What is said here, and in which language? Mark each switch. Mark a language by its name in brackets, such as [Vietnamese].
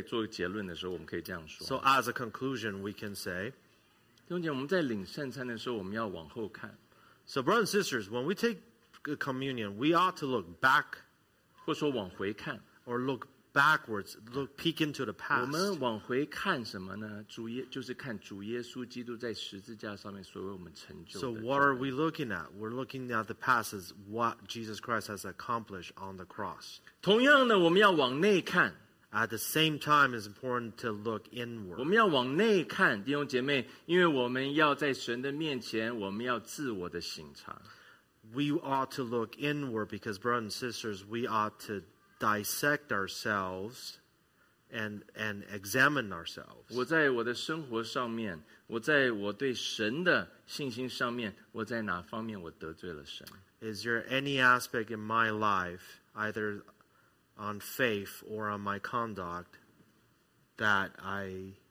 [English] So as a conclusion, we can say, [Chinese] 弟兄姐妹,我们在领圣餐的时候,我们要往后看。 [English] So brothers and sisters, when we take communion, we ought to look back. [Chinese] 或说往回看, [English] or look backwards, look peek into the past. [Chinese] 我们往回看什么呢? 就是看主耶稣基督在十字架上面所为我们成就的。 [English] So what are we looking at? We're looking at the past as what Jesus Christ has accomplished on the cross. [Chinese] 同样呢, 我们要往内看。 [English] At the same time, it's important to look inward. [Chinese] 我们要往内看, 弟兄姐妹, 因为我们要在神的面前, 我们要自我的省察。 [English] We ought to look inward because, brothers and sisters, we ought to dissect ourselves and examine ourselves. [Chinese] 我在我的生活上面, 我在我对神的信心上面, 我在哪方面我得罪了神? [English] Is there any aspect in my life, either on faith or on my conduct, that I